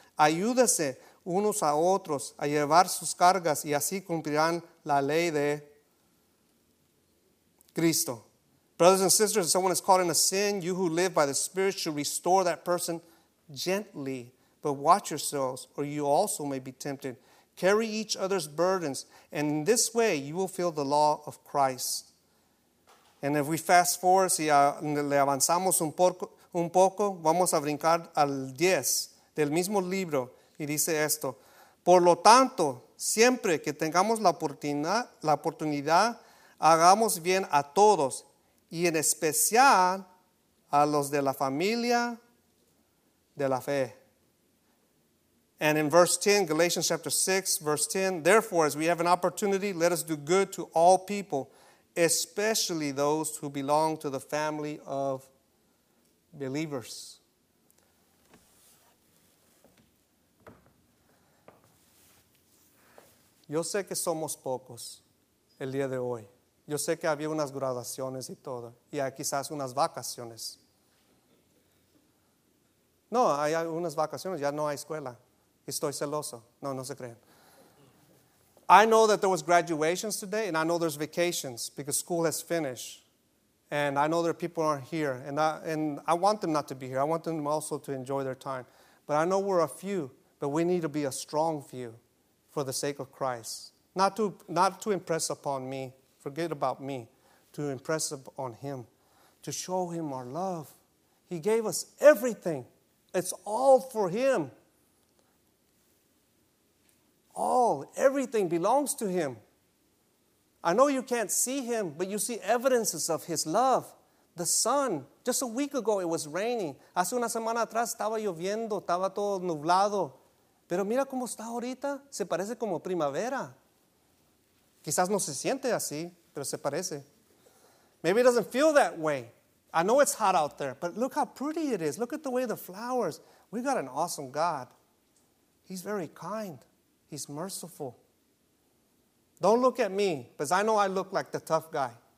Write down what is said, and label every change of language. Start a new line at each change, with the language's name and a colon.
Spanish: Ayúdense unos a otros a llevar sus cargas y así cumplirán la ley de Cristo.
English: Brothers and sisters, if someone is caught in a sin, you who live by the Spirit should restore that person gently. But watch yourselves or you also may be tempted. Carry each other's burdens, and in this way you will fulfill the law of Christ. And if we fast forward,
Spanish: si le avanzamos un poco, vamos a brincar al 10 del mismo libro, y dice esto. Por lo tanto, siempre que tengamos la oportunidad, hagamos bien a todos, y en especial a los de la familia de la fe.
English: And in verse 10, Galatians chapter 6, verse 10, therefore, as we have an opportunity, let us do good to all people, especially those who belong to the family of believers.
Spanish: Yo sé que somos pocos el día de hoy. Yo sé que había unas graduaciones y todo, y hay quizás unas vacaciones. No, hay unas vacaciones, ya no hay escuela. Estoy celoso. No, no se creen.
English: I know that there was graduations today, and I know there's vacations because school has finished. And I know there are people who aren't here, and I want them not to be here. I want them also to enjoy their time. But I know we're a few, but we need to be a strong few for the sake of Christ. Not to impress upon me, forget about me, to impress upon Him, to show Him our love. He gave us everything. It's all for Him. All, everything belongs to Him. I know you can't see Him, but you see evidences of His love. The sun, just a week ago it was raining.
Spanish: Hace una semana atrás estaba lloviendo, estaba todo nublado. Pero mira cómo está ahorita, se parece como primavera. Quizás no se siente así, pero se parece.
English: Maybe it doesn't feel that way. I know it's hot out there, but look how pretty it is. Look at the way the flowers. We got an awesome God. He's very kind. He's merciful. Don't look at me, because I know I look like the tough guy.